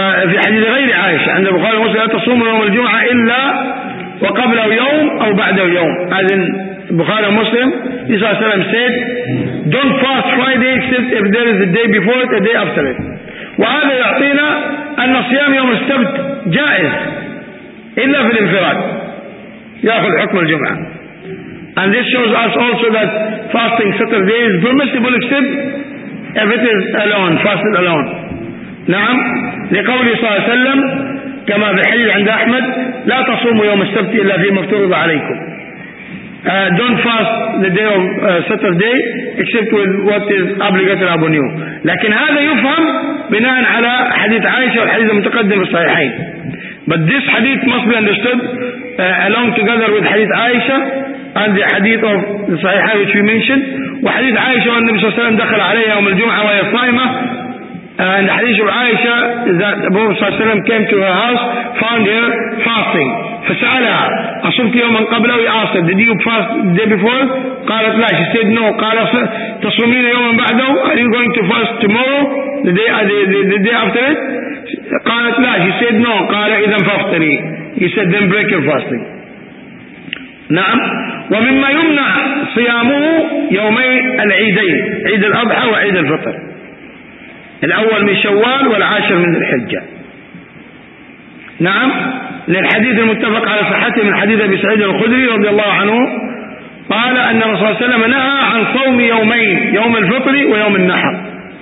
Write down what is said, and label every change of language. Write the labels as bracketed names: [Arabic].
[Arabic] في حديث غير عائشة عند البخاري ومسلم لا تصوم يوم الجمعة إلا وقبل يوم أو بعد يوم. [English] As in Bukhari Muslim, this is what I said, don't fast Friday except if there is a day before it, a day after it. [Arabic] وهذا يعطينا أن صيام يوم السبت جائز إلا في الانفراد يأخذ حكم الجمعة. [English] And this shows us also that fasting Saturday is permissible except if it is alone, fasted alone. [Arabic] نعم لقول صلى الله عليه وسلم كما في الحديث عند أحمد لا تصوموا يوم السبت إلا فيما افترض عليكم. [English] Don't fast the day of Saturday except with what is obligated upon you. [Arabic] لكن هذا يفهم بناء على حديث عائشة والحديث المتقدم في الصحيحين. [English] But this hadith must be understood along together with hadith Aisha and the hadith of the Sahihah which we mentioned. [Arabic] وحديث عائشة أن النبي صلى الله عليه وسلم دخل عليها يوم الجمعة وهي صائمة. [English] And hadith of Aisha that the Prophet [Arabic] صلى الله عليه وسلم [English] came to her house, found her fasting. [Arabic] فسألها أصبت يوما قبل أو يأصب. [English] Did you fast the day before? [Arabic] قالت لا. [English] She said no. [Arabic] قال تصومين يوما بعده. [English] Are you going to fast tomorrow? The day after it? [Arabic] قالت لا. [English] She said no. [Arabic] قال إذا فافطري. [English] He said then break your fasting. [Arabic] نعم. ومما يمنع صيامه يومي العيدين عيد الأضحى وعيد الفطر الأول من شوال والعاشر من الحجة. نعم. للحديث المتفق على صحته من حديث أبي سعيد الخدري رضي الله عنه قال أن رسول الله صلى الله عليه وسلم نهى عن صوم يومين يوم الفطر ويوم النحر.